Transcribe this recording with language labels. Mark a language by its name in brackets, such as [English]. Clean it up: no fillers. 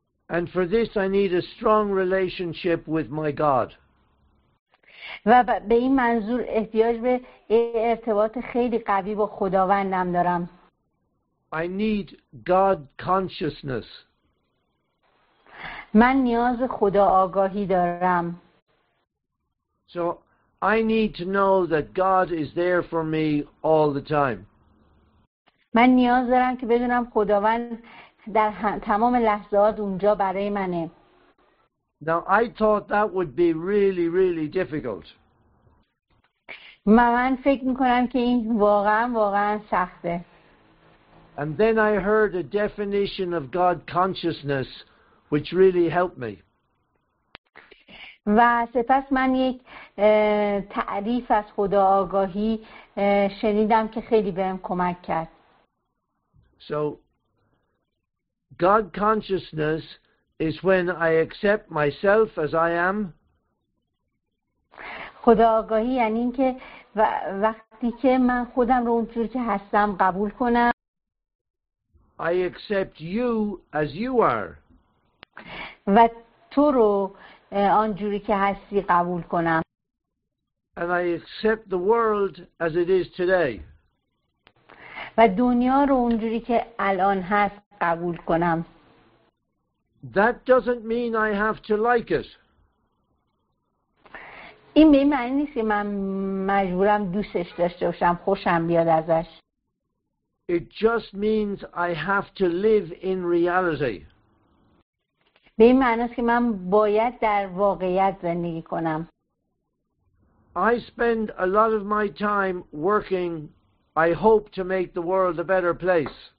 [English] And for this I need a strong relationship with my God. [Persian] و به این منظور احتیاج به ارتباط خیلی قوی با خداوندم دارم. [English] I need God consciousness. [Persian] من نیاز خدا آگاهی دارم. [English] So I need to know that God is there for me all the time. [Persian] من نیاز دارم که بدونم خداوند در تمام لحظات اونجا برای منه. [English] Now I thought that would be really, really difficult. [Persian] من فکر میکنم که این واقعا سخته. [English] And then I heard a definition of God consciousness which really helped me. [Persian] و سپس من یک تعریف از خدا آگاهی شنیدم که خیلی بهم کمک کرد. [English] So God consciousness is when I accept myself as I am. [Persian] خدا آگاهی یعنی اینکه وقتی که من خودم رو اونجوری که هستم قبول کنم. [English] I accept you as you are. [Persian] و تو رو آنجوری که هستی قبول کنم. [English] And I accept the world as it is today. [Persian] و دنیا رو اونجوری که الان هست قبول کنم. [English] That doesn't mean I have to like it. [Persian] این به این معنی نیست که من مجبورم دوستش داشته باشم، خوشم بیاد ازش. [English] It just means I have to live in reality. [Persian] به این معنی است که من باید در واقعیت زندگی کنم. [English] I spend a lot of my time working. I hope to make the world a better place.